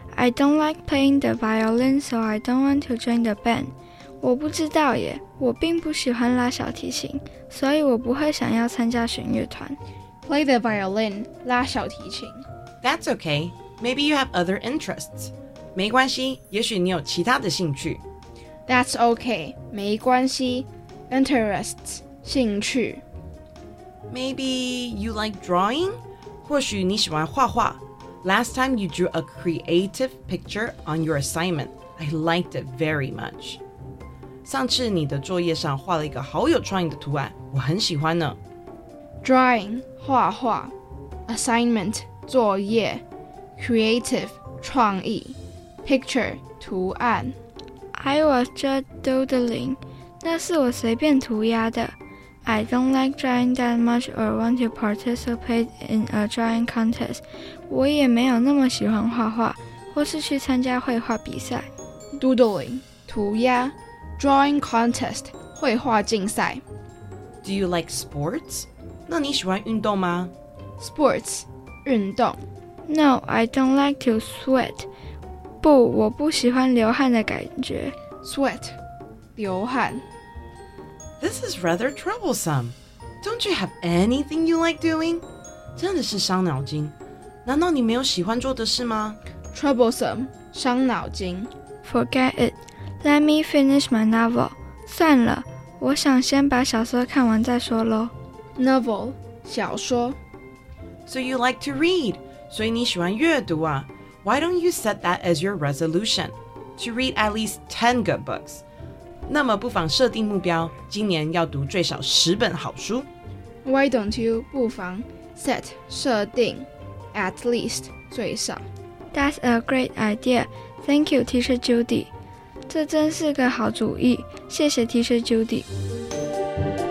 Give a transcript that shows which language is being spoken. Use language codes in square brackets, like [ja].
[en] I don't like playing the violin, so I don't want to join the band. [zh] 我不知道耶，我并不喜欢拉小提琴，所以我不会想要参加弦乐团。 [en] Play the violin, [zh] 拉小提琴。 [en] That's okay. Maybe you have other interests. [zh] 没关系，也许你有其他的兴趣。 [en] That's okay, 没关系。Interests, 兴趣。 Maybe you like drawing? [zh] 或许你喜欢画画。 [en] Last time you drew a creative picture on your assignment, I liked it very much. [zh] 上次你的作业上画了一个好有创意的图案，我很喜欢呢。 [en] Drawing, 画画。Assignment, 作业。 Creative, 创意。Picture, 图案。 I was just doodling. [zh] 那是我随便涂鸦的。 [en] I don't like drawing that much or want to participate in a drawing contest. [zh] 我也没有那么喜欢画画，或是去参加绘画比赛。 [en] Doodling, 涂鸦。Drawing contest, [zh] 绘画竞赛。 [en] Do you like sports? [zh] 那你喜欢运动吗？ [en] Sports, 运动。 No, I don't like to sweat. [zh] 不，我不喜欢流汗的感觉。 [en] Sweat, 流汗。 This is rather troublesome. Don't you have anything you like doing? [zh] 真的是伤脑筋。难道你没有喜欢做的事吗？ [en] Troublesome, 伤脑筋。 Forget it. Let me finish my novel. [zh] 算了，我想先把小说看完再说咯。 [en] Novel, 小说。 So you like to read, [zh] 所以你喜欢阅读啊。 [en] Why don't you set that as your resolution? To read at least 10 good books. [zh] 那么不妨设定目标，今年要读最少十本好书。 [en] Why don't you 不妨 set 设定 at least 最少。 That's a great idea. Thank you, Teacher Judy. [zh] 这真是个好主意，谢谢 [en] Teacher Judy。